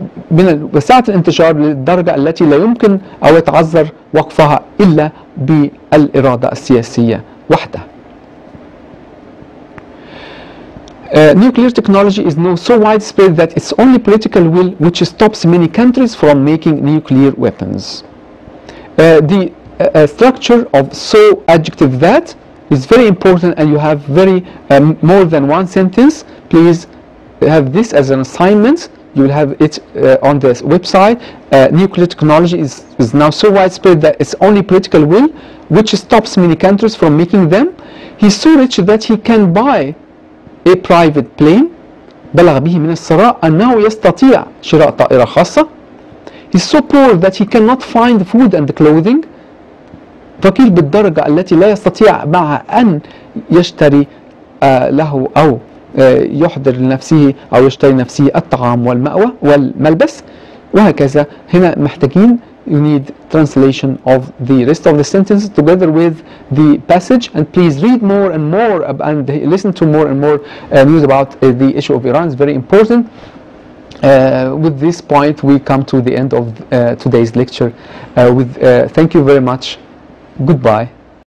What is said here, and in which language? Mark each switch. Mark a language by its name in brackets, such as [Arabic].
[Arabic] من وسعة الانتشار للدرجة التي لا يمكن أو يتعذر وقفها إلا بالإرادة السياسية وحدها. [English] Nuclear technology is now so widespread that it's only political will which stops many countries from making nuclear weapons. A structure of so adjective that is very important, and you have very more than one sentence. Please have this as an assignment. You will have it on this website. Nuclear technology is now so widespread that it's only political will which stops many countries from making them. He's so rich that he can buy a private plane. [Arabic] بلغ به من الثراء أنه يستطيع شراء طائرة خاصة. [English] He's so poor that he cannot find food and clothing. [Arabic] فقير بالدرجة التي لا يستطيع معها أن يشتري له أو يحضر لنفسه أو يشتري نفسه الطعام والمأوى والملبس وهكذا. هنا محتاجين [English] you need translation of the rest of the sentence together with the passage. And please read more and more and listen to more and more news about the issue of Iran. It's very important. With this point, we come to the end of today's lecture. Thank you very much. Goodbye.